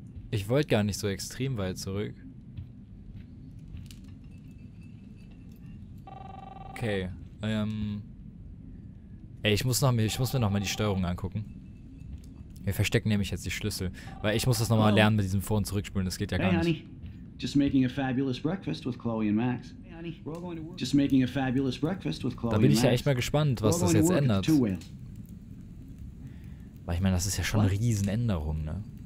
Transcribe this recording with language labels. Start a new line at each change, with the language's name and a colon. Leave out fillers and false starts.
German: Ich wollte gar nicht so extrem weit zurück. Okay. Ey, ich muss mir nochmal die Steuerung angucken. Wir verstecken nämlich jetzt die Schlüssel, weil ich muss das nochmal lernen mit diesem Vor- und Zurückspulen, das geht ja gar nicht.
English: Honey. Just making a fabulous breakfast with Chloe and Max. Just making a fabulous breakfast with Chloe.
German: Da bin ich ja echt mal gespannt, was das jetzt ändert. Weil ich meine, das ist ja schon eine Riesenänderung, ne?